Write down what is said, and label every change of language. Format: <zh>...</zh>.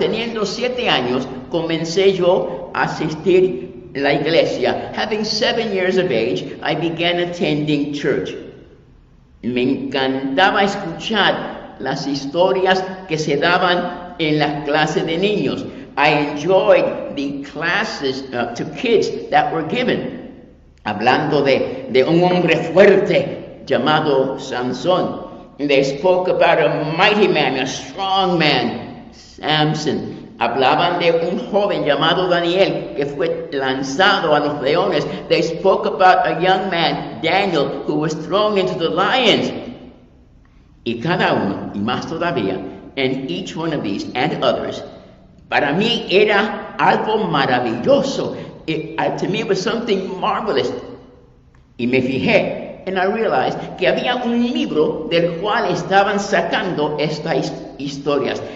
<es>Teniendo 7 años, comencé yo a asistir a la iglesia.</es> <en>Having 7 years of age, I began attending church.</en> <es>Me encantaba escuchar las historias que se daban en la clase de niños.</es> <en>I enjoyed the classes to kids that were given.</en> <es>Hablando de un hombre fuerte llamado Sansón.</es> <en>They spoke about a mighty man, a strong man, Samson.</en> <es>Hablaban de un joven llamado Daniel que fue lanzado a los leones.</es> <en>They spoke about a young man, Daniel, who was thrown into the lions.</en> <es>Y cada uno, y más todavía,</es> <en>and each one of these and others,</en> <es>para mí era algo maravilloso.</es> <en>To me, it was something marvelous.</en> <es>Y me fijé,</es> <en>and I realized</en> <es>que había un libro del cual estaban sacando estas historias.</es>